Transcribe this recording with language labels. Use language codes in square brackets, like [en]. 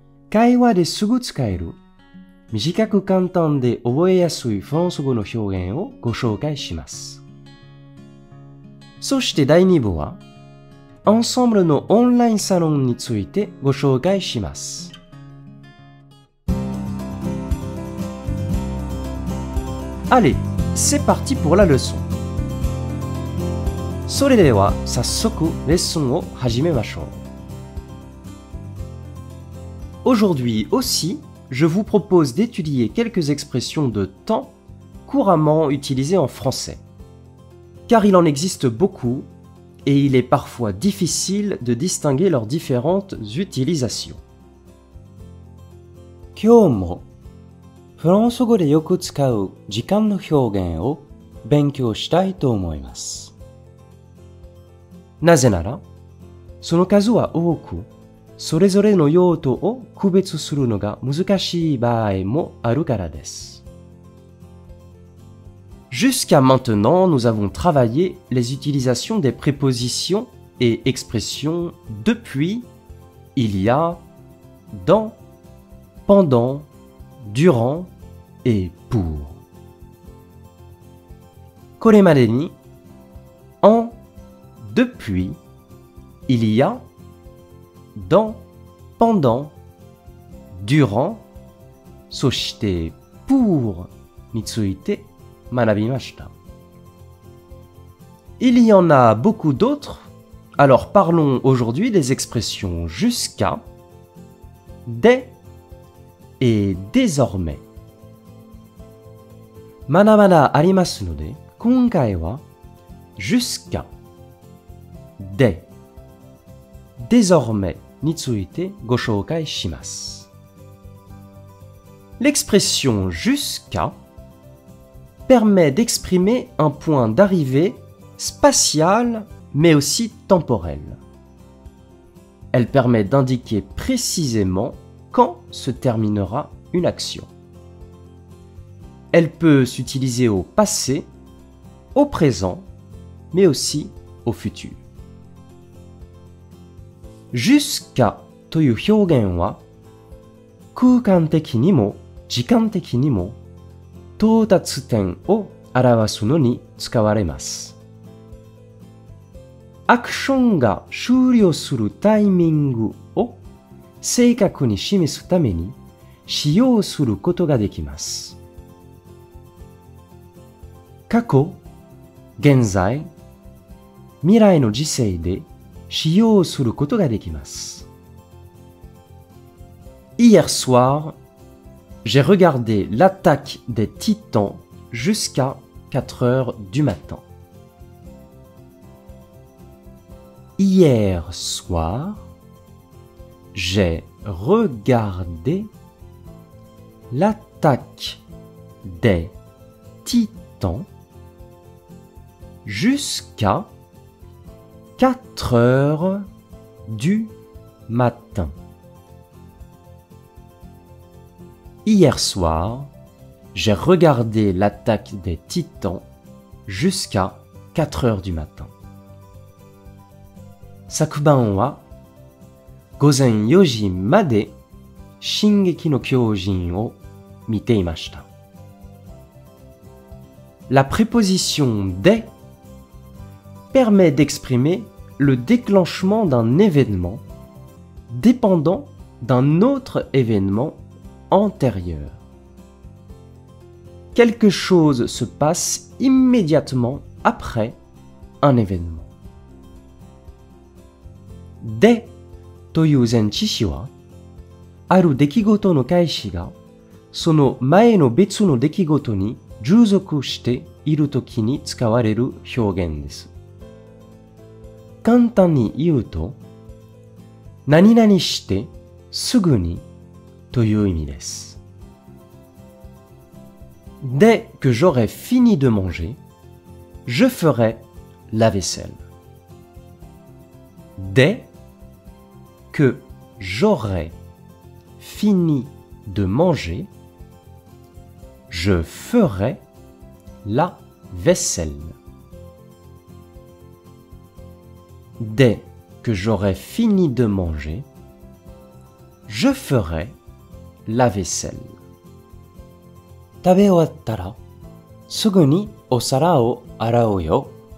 [ja] 会話ですぐ使える、短く簡単で覚えやすいフランス語の表現をご紹介します。そして第2部は、アンサンブルのオンラインサロンについてご紹介します。 [fr] Allez, c'est parti pour la leçon! [ja] それでは早速レッスンを始めましょう。 [fr] Aujourd'hui aussi, je vous propose d'étudier quelques expressions de temps couramment utilisées en français. Car il en existe beaucoup et il est parfois difficile de distinguer leurs différentes utilisations. [ja] 今日もフランス語でよく使う時間の表現を勉強したいと思います。なぜなら、その数は多く、それぞれの用途を区別するのが難しい場合もあるからです。 [fr] Jusqu'à maintenant, nous avons travaillé les utilisations des prépositions et expressions depuis, il y a, dans, pendant, durant et pour. [ja] これまでに、en、Depuis, il y a, dans, pendant, durant, そして pour について学びました。 [fr] Il y en a beaucoup d'autres, Alors parlons aujourd'hui des expressions jusqu'à, dès et désormais. [ja] まだまだありますので、今回は jusqu'à, dès, désormais についてご紹介します。 [fr] L'expression jusqu'à permet d'exprimer un point d'arrivée spatial mais aussi temporel. Elle permet d'indiquer précisément quand se terminera une action. Elle peut s'utiliser au passé, au présent, mais aussi au futur. [ja] Jusqu'à という表現は空間的にも時間的にも到達点を表すのに使われます。アクションが終了するタイミングを正確に示すために使用することができます。過去、現在、未来の時世で使用することができます。 [fr] Hier soir、j'ai regardé l'attaque des titans jusqu'à 4 heures du matin. Hier soir, j'ai regardé l'attaque des titans jusqu'à 4 heures du matin. Hier soir, j'ai regardé l'attaque des titans jusqu'à 4 heures du matin. [ja] 昨晩は、午前4時まで、進撃の巨人を見ていました。 [fr] La préposition des permet d'exprimer le déclenchement d'un événement dépendant d'un autre événementantérieur. Quelque chose se passe immédiatement après un événement. [ja] でという前置詞は、ある出来事の開始が、その前の別の出来事に従属しているときに使われる表現です。簡単に言うと、何々してすぐにという意味です。 [fr] Dès que j'aurai fini de manger, je ferai la vaisselle. Dès que j'aurai fini de manger, je ferai la vaisselle. Dès que j'aurai fini de manger, je ferai la vaisselle. [ja] 食べ終わったら、すぐにお皿を洗うよ。